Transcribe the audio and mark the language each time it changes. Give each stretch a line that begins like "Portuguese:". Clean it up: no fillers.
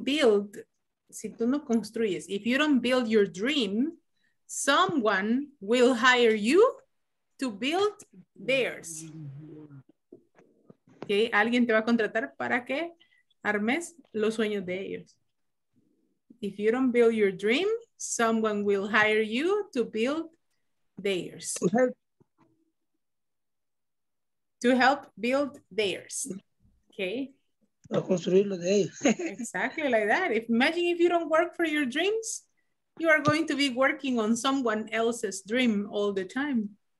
English: if you don't build,
Spanish: si tú no construyes,
English: if you don't build your dream, someone will hire you to build theirs.
Spanish: Okay, alguien te va a contratar para que armes los sueños de ellos.
English: If you don't build your dream, someone will hire you to build theirs. To help build theirs, okay?
Spanish: A construirlo de ellos.
English: Exactly like that. Imagine if you don't work for your dreams, you are going to be working on someone else's dream all the time.